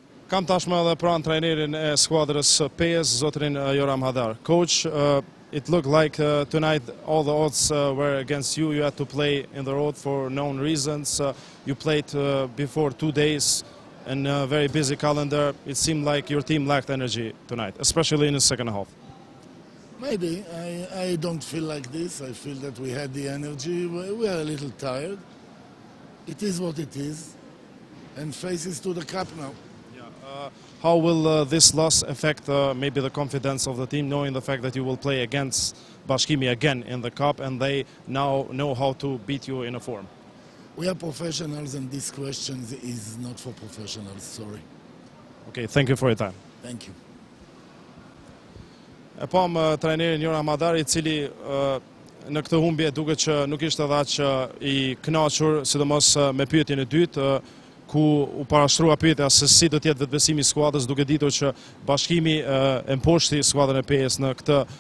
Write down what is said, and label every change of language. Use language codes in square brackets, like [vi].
[sq] Kam tashmë edhe pranë trajnerin e skuadrës PS, zotrin Rami Hadar. [en] Coach, it looked like tonight all the odds were against you. You had to play in the road for known reasons. You played before 2 days and a very busy calendar. It seemed like your team lacked energy tonight, especially in the second half. Maybe. I don't feel like this. I feel that we had the energy. We are a little tired. It is what it is. And faces to the cup now. How will this loss affect maybe the confidence of the team, knowing the fact that you will play against Bashkimi again in the cup and they now know how to beat you in a form? We are professionals and this question is not for professionals, sorry. Okay, thank you for your time. Thank you. [sq] E pam trajnerin Rami Hadar, I cili në këtë humbje duket që nuk ishte edhe aq I kënaqur, sidomos me pyetjen e dytë, ku u parashtrua pyetja se si do të jetë vetbesimi I skuadrës duke ditur që Bashkimi e mposhti skuadrën e PS në këtë